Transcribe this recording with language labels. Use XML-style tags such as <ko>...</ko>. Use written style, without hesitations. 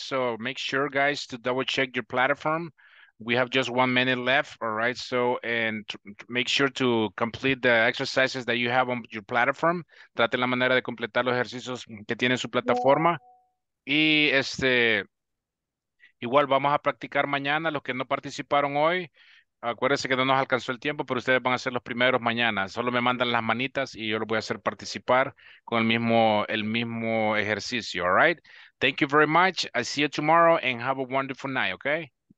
<en>So make sure, guys, to double-check your platform. We have just 1 minute left, all right? So, and make sure to complete the exercises that you have on your platform.</en> <es>Trate la manera de completar los ejercicios que tiene su plataforma. Yeah. Y este, igual vamos a practicar mañana. Los que no participaron hoy, acuérdense que no nos alcanzó el tiempo, pero ustedes van a ser los primeros mañana. Solo me mandan las manitas y yo los voy a hacer participar con el mismo ejercicio,</es> <en>all right? Thank you very much. I see you tomorrow and have a wonderful night, okay?</en>